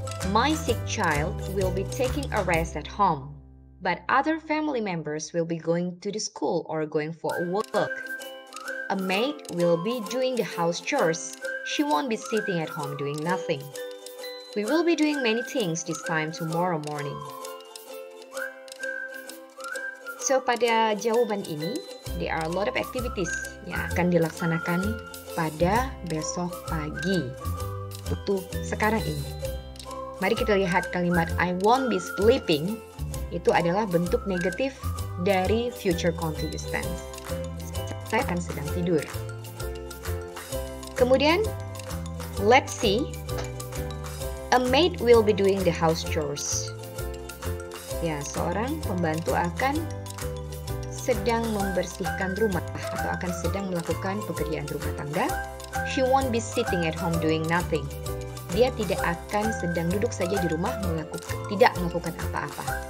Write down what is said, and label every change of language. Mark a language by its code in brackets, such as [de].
[en] My sick child will be taking a rest at home, but other family members will be going to the school or going for a walk. A maid will be doing the house chores. She won't be sitting at home doing nothing. We will be doing many things this time tomorrow morning. [id] So pada jawaban ini, [en] there are a lot of activities [id] yang akan dilaksanakan pada besok pagi, itu sekarang ini. Mari kita lihat kalimat [en] I won't be sleeping, [id] itu adalah bentuk negatif dari future continuous tense. Saya akan sedang tidur. Kemudian, [en] let's see. A maid will be doing the house chores. [id] Ya, seorang pembantu akan sedang membersihkan rumah atau akan sedang melakukan pekerjaan rumah tangga. [en] She won't be sitting at home doing nothing. [id] Dia tidak akan sedang duduk saja di rumah tidak melakukan apa-apa.